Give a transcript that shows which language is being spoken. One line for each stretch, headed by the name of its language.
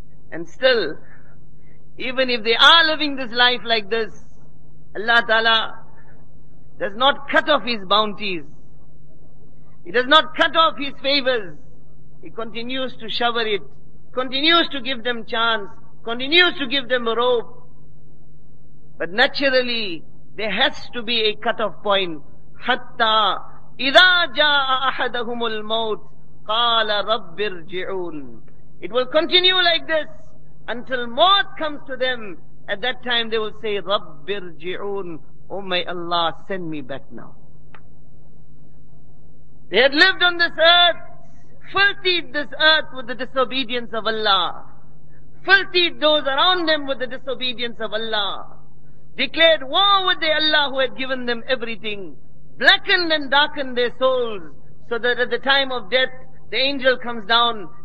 English: And still, even if they are living this life like this, Allah Ta'ala does not cut off His bounties. He does not cut off His favors. He continues to shower it, continues to give them chance, continues to give them a rope. But naturally, there has to be a cut-off point.
Arabic: Hatta إِذَا جَاءَ أَحَدَهُمُ الْمَوْتِ قَالَ رَبِّ ارْجِعُونَ.
English: It will continue like this until maut comes to them. At that time they will say,
Arabic: رَبِّ ارْجِعُونَ.
English: Oh my Allah, send me back now. They had lived on this earth, filthied this earth with the disobedience of Allah, filthied those around them with the disobedience of Allah, declared war with the Allah who had given them everything, blackened and darkened their souls, so that at the time of death, the angel comes down